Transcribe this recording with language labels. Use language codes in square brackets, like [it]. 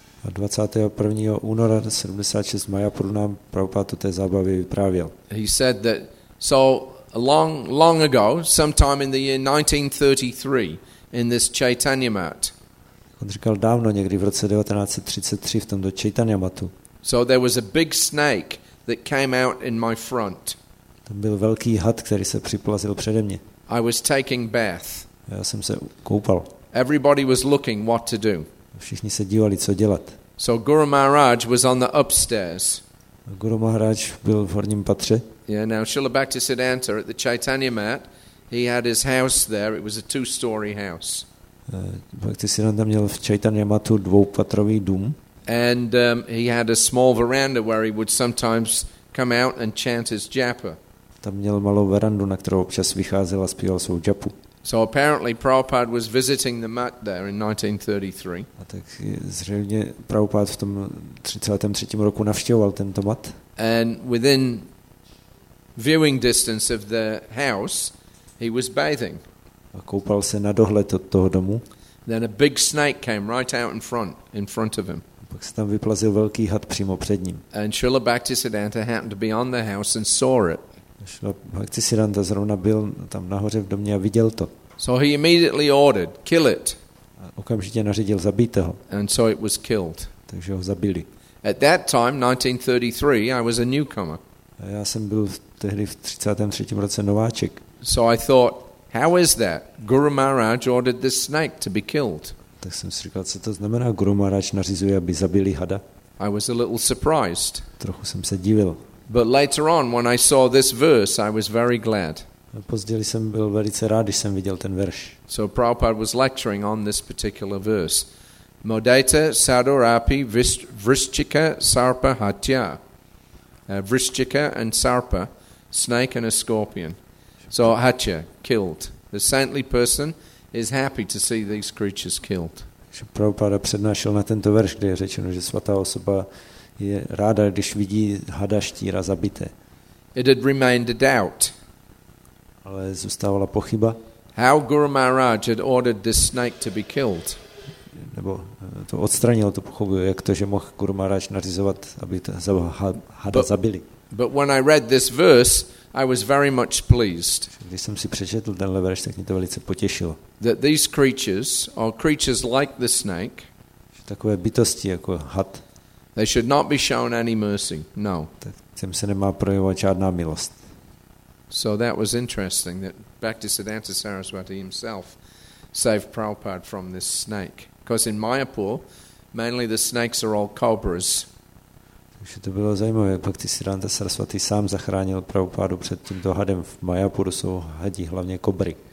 [cs] A 21. února 76 v Mayapuru nám Prabhupád o té zábavě vyprávěl. [en] He said that so long ago, sometime in the year 1933 in this Chaitanya Mat. [cs] On říkal dávno někdy v roce 1933 v tomto Chaitanya Matu. [en] So there was a big snake that came out in my front. [cs] Tam byl velký had, který se připlazil přede mě. [en] I was taking bath. [cs] Já jsem se koupal. [en] Everybody was looking what to do. [cs] Všichni se dívali, co dělat. [en] So Guru Maharaj was on the upstairs. [cs] Guru Maharaj byl v horním patře. [en] Yeah, now Srila Bhaktisiddhanta at the Chaitanya Mat, he had his house there. It was a two-story house. [cs] Bhaktisiddhanta měl v Chaitanya Matu dvoupatrový dům. [en] And he had a small veranda where he would sometimes come out and chant his japa. [cs] Tam měl malou verandu, na kterou občas vycházel a zpíval svou japu. [en] So apparently Prabhupada was visiting the mat there in 1933. [cs] A tak zřejmě Prabhupád v tom 33. roku navštěvoval tento mat. [en] And within viewing distance of the house, he was bathing. [cs] A koupal se na dohled od toho domu. [en] Then a big snake came right out in front of him. [cs] A pak se tam vyplazil velký had přímo před ním. [en] And Srila Bhaktisiddhanta happened to be on the house and saw it. [cs] Srila Bhaktisiddhanta zrovna byl tam nahoře v domě a viděl to. [en] So he immediately ordered, kill it. [cs] A okamžitě nařídil zabít ho. [en] And so it was killed. [cs] Takže ho zabili. [en] At that time, 1933, I was a newcomer. [cs] A já jsem byl tehdy v 33. roce nováček. [en] So I thought, how is that? Guru Maharaj ordered this snake to be killed. [cs] Tak jsem si říkal, co to znamená, Guru Maharaj nařizuje, aby zabili hada. [en] I was a little surprised. [cs] Trochu jsem se divil. [en] But later on when I saw this verse I was very glad. [cs] Později jsem byl velice rád, když jsem viděl ten verš. [en] So Prabhupada was lecturing on this particular verse. [sa] Modeta sadurapi vrischika sarpa hatya. [en] Vrischika and sarpa, snake and a scorpion. So hatya, killed. The saintly person is happy to see these creatures killed. [cs] Prabhupada přednášel na tento verš, kde je řečeno, že svatá osoba je ráda, když vidí hada, štíra zabité. [en] It had remained a doubt. [cs] Ale zůstávala pochyba. [en] How Guru Maharaj had ordered this snake to be killed. [cs] Nebo to odstranilo tu pochybu, jak to, že mohl Guru Maharaj nařizovat, aby hada zabili. [en] But when I read this verse, I was very much pleased. [cs] Když jsem si přečetl tenhle verš, tak mě to velice potěšilo. [en] That these creatures, or creatures like the snake, [cs] takové bytosti jako had, [en] they should not be shown any mercy. [cs] No. Tak těm se nemá projevovat žádná milost. [en] So that was interesting that Bhaktisiddhanta Saraswati himself saved Prabhupada from this snake. Because in Mayapur, mainly the snakes are all cobras. [cs] Takže to bylo zajímavé, jak Bhaktisiddhanta Saraswati sám zachránil Prabhupádu před tímto hadem. V Mayapuru jsou hadi hlavně kobry.